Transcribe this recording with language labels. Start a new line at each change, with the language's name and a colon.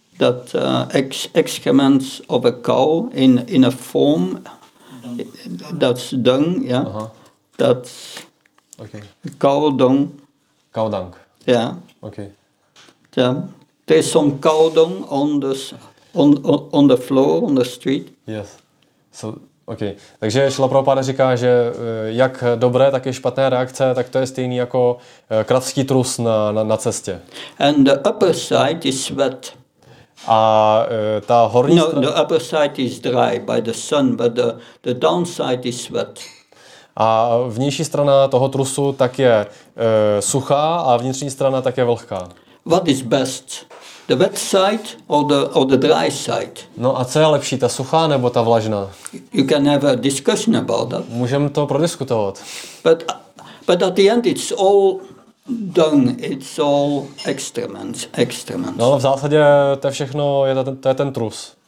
English: that excrements of a cow in a form that's dung, yeah. Uh-huh. That's okay. Cow dung. Cow dung. Yeah. Okay. Yeah. There's some cow dung on the floor on the street. Yes. So. OK.
Czech: Takže Šrila Prabhupáda říká, že jak dobré, tak i špatné reakce, tak to je stejný jako kravský trus na cestě.
English: And the upper side is wet.
Czech: A ta horní strana...
English: No, the upper side is dry by the sun, but the downside is wet.
Czech: A vnější strana toho trusu tak je suchá a vnitřní strana tak je vlhká.
English: What is best? The wet side or the dry side?
Czech: No a co je lepší, ta suchá nebo ta vlažná?
English: You can have a discussion about that.
Czech: Můžeme to prodiskutovat.
English: But at the end it's all dung, it's all excrements.
Czech: No, v zásadě to je všechno, to je ten trus.